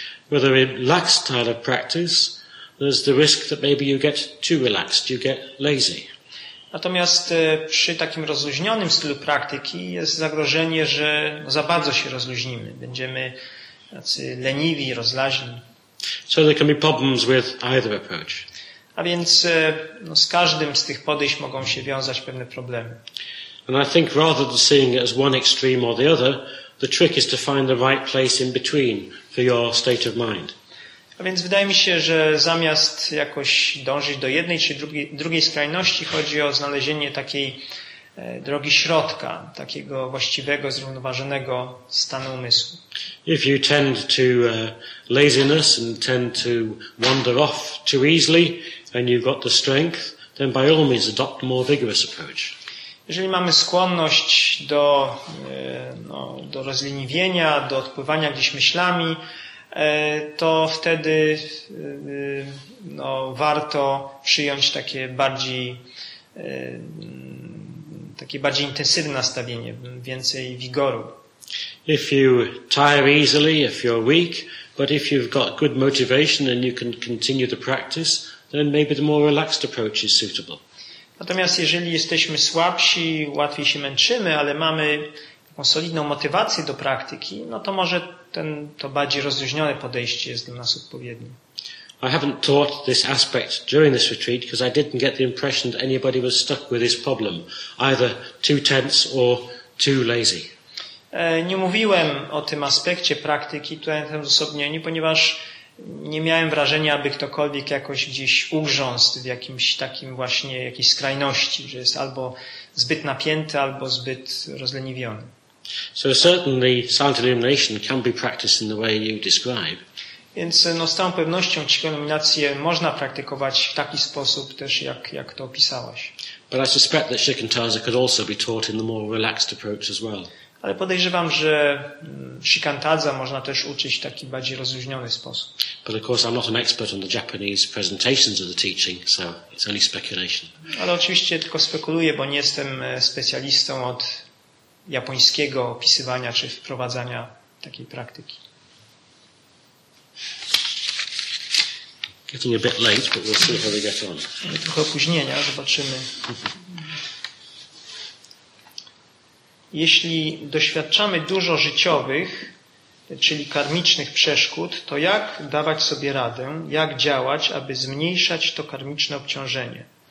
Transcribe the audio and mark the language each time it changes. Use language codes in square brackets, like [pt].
[en] With a relaxed style of practice, there's the risk that maybe you get too relaxed, you get lazy. [pl] Natomiast przy takim rozluźnionym stylu praktyki jest zagrożenie, że za bardzo się rozluźnimy. Będziemy tacy leniwi, rozlaźni. [en] So there can be problems with either approach. [pl] A więc no, z każdym z tych podejść mogą się wiązać pewne problemy. [en] And I think rather than seeing it as one extreme or the other, the trick is to find the right place in between for your state of mind. [pl] A więc wydaje mi się, że zamiast jakoś dążyć do jednej czy drugiej skrajności, chodzi o znalezienie takiej drogi środka, takiego właściwego, zrównoważonego stanu umysłu. [en] If you tend to laziness and tend to wander off too easily and you've got the strength, then by all means adopt a more vigorous approach. [pl] Jeżeli mamy skłonność do, no, do rozleniwienia, do odpływania gdzieś myślami, to wtedy no, warto przyjąć takie bardziej intensywne nastawienie, więcej wigoru. [en] If you tire easily, if you're weak, but if you've got good motivation and you can continue the practice, then maybe the more relaxed approach is suitable. [pl] Natomiast jeżeli jesteśmy słabsi, łatwiej się męczymy, ale mamy taką solidną motywację do praktyki, no to może to bardziej rozluźnione podejście jest dla nas odpowiednie. [en] I haven't taught this aspect during this retreat because I didn't get the impression that anybody was stuck with this problem, either too tense or too lazy. [pl] Nie mówiłem o tym aspekcie praktyki tutaj na tym uzasadnieniu, ponieważ nie miałem wrażenia, aby ktokolwiek jakoś gdzieś ugrzązł w jakimś takim właśnie jakiejś skrajności, że jest albo zbyt napięty, albo zbyt rozleniwiony. [en] So certainly silent illumination can be practiced in the way you describe. [pl] Więc no, z całą pewnością cichą iluminację można praktykować w taki sposób też, jak to opisałeś. [en] But I suspect that shikantaza could also be taught in the more relaxed approach as well. [pl] Ale podejrzewam, że shikantaza można też uczyć w taki bardziej rozluźniony sposób. [en] But of course I'm not an expert on the Japanese presentations of the teaching, so it's only speculation. [pl] Ale oczywiście tylko spekuluję, bo nie jestem specjalistą od japońskiego opisywania czy wprowadzania takiej praktyki. [en] Getting a bit late, but we'll see how we get on. [pl] Trochę opóźnienia, zobaczymy. Jeśli doświadczamy dużo życiowych, czyli karmicznych przeszkód, to jak dawać sobie radę, jak działać, aby zmniejszać to karmiczne obciążenie?